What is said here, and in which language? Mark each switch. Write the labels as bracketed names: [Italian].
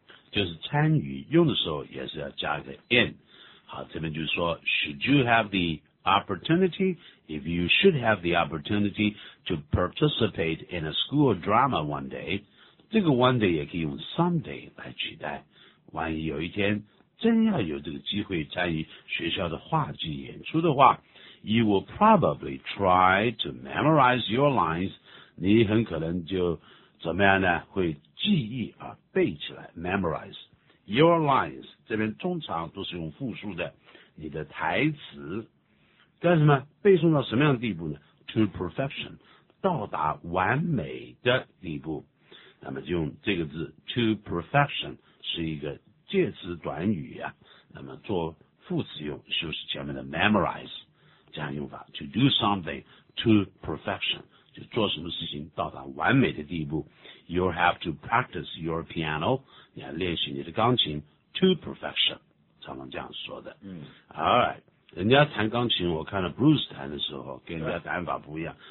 [Chinese] 就是参与用的时候也是要加个 [English] in [Chinese] 好这边就是说 [English] Should you have theOpportunity, if you should have the opportunity to participate in a school drama one day, 这个 one day [Chinese] 也可以用 [English] someday [Chinese] 来取代。万一有一天真要有这个机会参与学校的话剧演出的话 [English] you will probably try to memorize your lines, [Chinese] 你很可能就怎么样呢会记忆啊背起来 memorize. [English] Your lines, [Chinese] 这边通常都是用复数的你的台词干什么背诵到什么样的地步呢 [English] to perfection [Chinese] 到达完美的地步那么就用这个字 to perfection 是一个介词短语啊那么做副词用就是前面的 memorize 这样用法 [English] to do something to perfection [Chinese] 就做什么事情到达完美的地步。 [English] You have to practice your piano, [Chinese] 你要练习你的钢琴 [English] to perfection, [Chinese] 常常这样说的。 Alright, 人家弹钢琴我看了 Bruce 弹的时候跟人家弹法不一样。